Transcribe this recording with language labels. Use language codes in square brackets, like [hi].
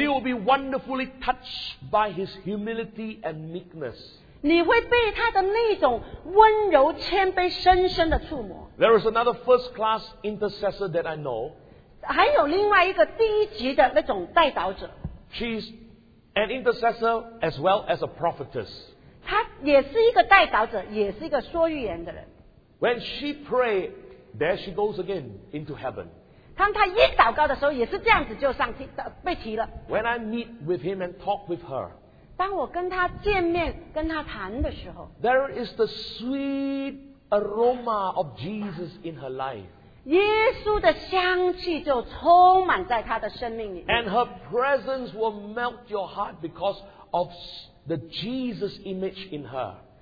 [en] You will be wonderfully touched by his humility and meekness. [zh] 你会被他的那种温柔谦卑深深的触摸。 [en] There is another first class intercessor that I know. [zh] 还有另外一个第一级的那种代祷者。 [en] She's an intercessor as well as a prophetess. [zh] 她也是一个代祷者，也是一个说预言的人。 [en] When she prayed, there she goes again into heaven. [zh] 当她一祷告的时候，也是这样子就上天，被提了。 [en] When I meet with him and talk with her, [zh] 当我跟她见面，跟她谈的时候， [en] there is the sweet aroma of Jesus in her life. [zh] 耶稣的香气就充满在她的生命里。 [en] And her presence will melt your heart because of the Jesus image in her.